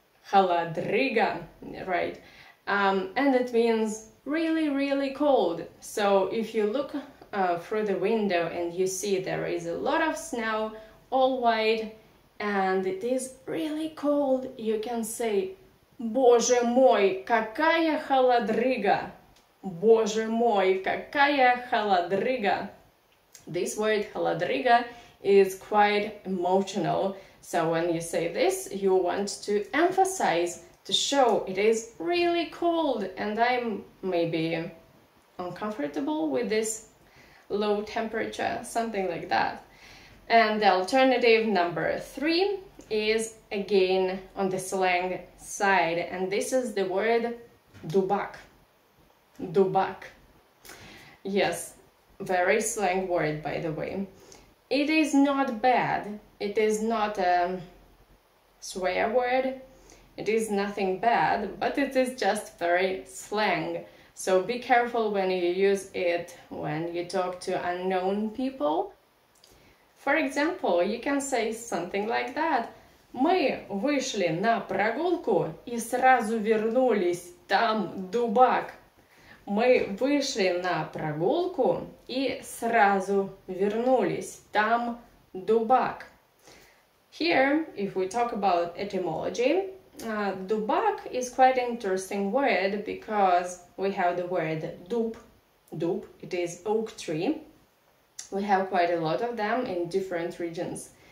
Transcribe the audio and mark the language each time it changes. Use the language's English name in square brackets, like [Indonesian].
[English] Haladriga, right? And it means really, really cold. So if you look through the window and you see there is a lot of snow, all white, and it is really cold, you can say, [Russian] Боже мой, какая холодрига! Боже мой, какая холодрига! [English] This word, холодрига, is quite emotional. So when you say this, you want to emphasize, to show it is really cold and I'm maybe uncomfortable with this low temperature, something like that. And the alternative number three is again on the slang side, and this is the word dubak. Dubak. Yes, very slang word, by the way. It is not bad. It is not a swear word. It is nothing bad, but it is just very slang. So be careful when you use it when you talk to unknown people. For example, you can say something like that. [Russian] Мы вышли на прогулку и сразу вернулись. Там дубак. Мы вышли на прогулку и сразу вернулись. Там дубак. [English] Here, if we talk about etymology, дубак is quite an interesting word because we have the word дуб. Дуб, it is oak tree. We have quite a lot of them in different regions.